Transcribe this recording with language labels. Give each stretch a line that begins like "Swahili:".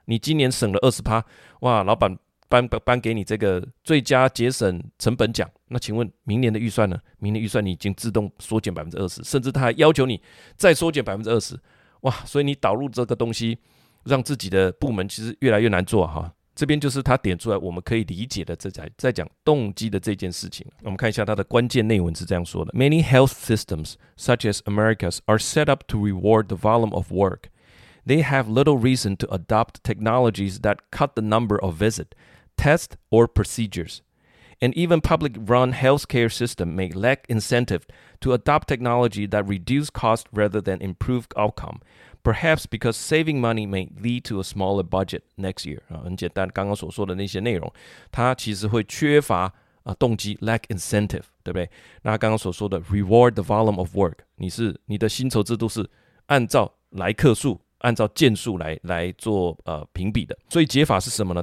Chinese: 你今年省了 20%， 哇，老板颁给你这个最佳节省成本奖，那请问明年的预算呢？明年预算你已经自动缩减 20%， 甚至他还要求你再缩减 20%， 哇，所以你导入这个东西让自己的部门其实越来越难做啊。这边就是他点出来我们可以理解的，这在讲动机的这件事情。我们看一下他的关键内文是这样说的，
English: Many health systems such as America's are set up to reward the volume of work. They have little reason to adopt technologies that cut the number of visit, test or procedures. And even public run healthcare system may lack incentive to adopt technology that reduce cost rather than improve outcome. Perhaps because saving money may lead to a smaller budget next year.
Chinese: 很简单，刚刚所说的那些内容，它其实会缺乏动机 ，
English: lack incentive，
Chinese: 对不对？那刚刚所说的
English: reward the volume of work，
Chinese: 你的薪酬制度是按照来客数，按照件数来做评比的。所以解法是什么呢？